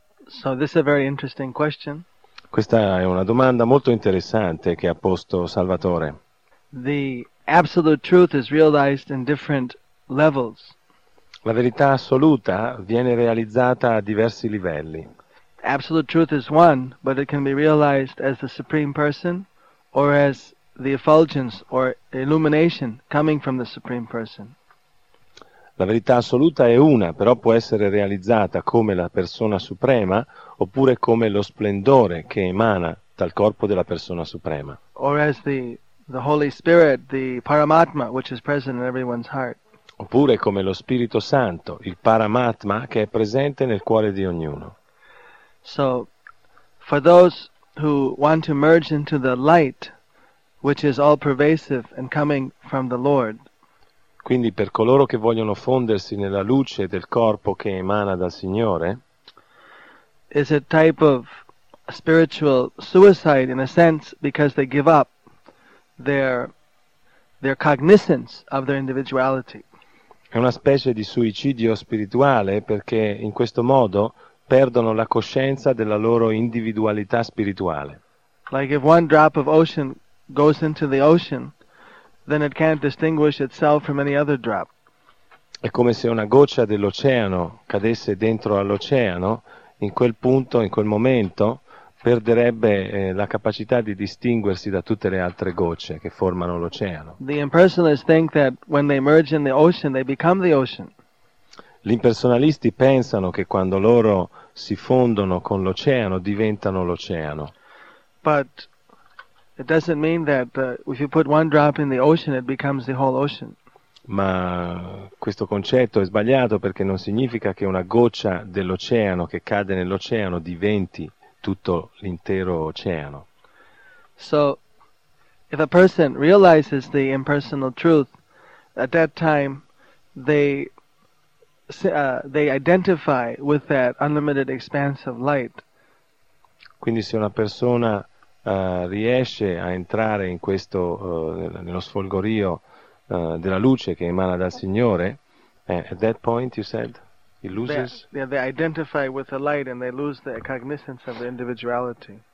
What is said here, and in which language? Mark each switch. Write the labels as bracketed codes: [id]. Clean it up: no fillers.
[en] So this is a very interesting question. [it] Questa è una domanda molto interessante che ha posto Salvatore. [en] The absolute truth is realized in different levels. [it] La verità assoluta viene realizzata a diversi livelli. [en] Absolute truth is one, but it can be realized as the supreme person or as the effulgence or illumination coming from the supreme person. [it] La verità assoluta è una, però può essere realizzata come la persona suprema oppure come lo splendore che emana dal corpo della persona suprema. [en] Or as the Holy Spirit, the Paramatma, which is present in everyone's heart. [it] Oppure come lo Spirito Santo, il Paramatma, che è presente nel cuore di ognuno. [en] So, for those who want to merge into the light, which is all pervasive and coming from the Lord. [it] Quindi per coloro che vogliono fondersi nella luce del corpo che emana dal Signore. [en] Is a type of spiritual suicide in a sense because they give up their cognizance of their individuality. [it] È una specie di suicidio spirituale perché in questo modo perdono la coscienza della loro individualità spirituale. [en] Like if one drop of ocean goes into the ocean, then it can't distinguish itself from any other drop. [it] È come se una goccia dell'oceano cadesse dentro all'oceano, in quel punto, in quel momento, perderebbe la capacità di distinguersi da tutte le altre gocce che formano l'oceano. [en] The impersonalists think that when they merge in the ocean, they become the ocean. [it] Gli impersonalisti pensano che quando loro si fondono con l'oceano diventano l'oceano. [en] But it doesn't mean that if you put one drop in the ocean it becomes the whole ocean. [it] Ma questo concetto è sbagliato perché non significa che una goccia dell'oceano che cade nell'oceano diventi tutto l'intero oceano. [en] So if a person realizes the impersonal truth at that time they identify with that unlimited expanse of light. [it] Quindi se una persona riesce a entrare in questo nello sfolgorio della luce che emana dal Signore, [en] at that point you said he loses. They identify with the light and they lose the cognizance of their individuality.